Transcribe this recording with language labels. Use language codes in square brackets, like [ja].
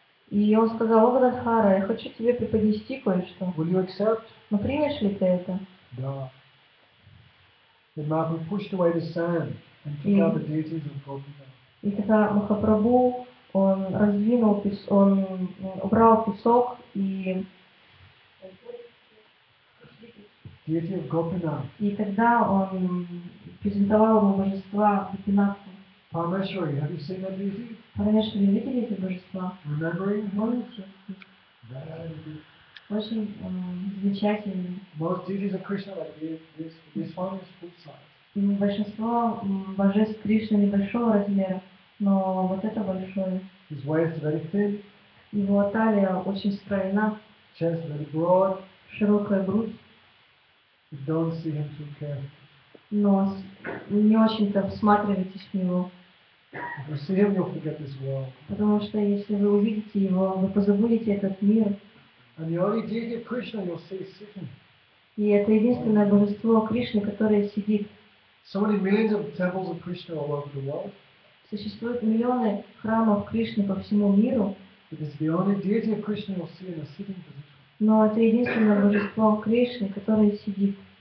[ru] И он сказал: «О, Гададхара, я хочу тебе преподнести кое-что. [en] Will you accept?» [ru] «Но примешь ли ты это?» Да. [en] Then Mahaprabhu pushed away the sand and took out the deities and broke them. [ru] И тогда Махапрабху он раздвинул он убрал песок и [en] deity of Gopinath. [ru] И тогда он презентовал ему божества Гопинатху. [en] Парамешвари, have you seen that deity? [ru] Парамешвари, видели эти божества? [en] Remembering? [ru] Помните? Очень замечательные. [en] Most deities of Krishna, like this one is full size. [ru] Большинство божеств Кришны небольшого размера, но вот это большое. [en] His waist very thin. [ru] Его талия очень стройна. [en] Chest very broad. [ru] Широкая грудь. [en] Don't see him too carefully. [ru] Но не очень-то всматривайтесь в него. [en] If you see him, you'll forget this world. [ru] Потому что если вы увидите его, вы позабудете этот мир. [en] And the only deity of Krishna you'll see is sitting. [ru] И это единственное божество Кришны, которое сидит. [en] So many millions of temples of Krishna all over the world. [ru] Существуют миллионы храмов Кришны по всему миру. [en] It is the only deity of Krishna you'll see in a sitting position. [ru] Но это единственное божество Кришны, которое сидит.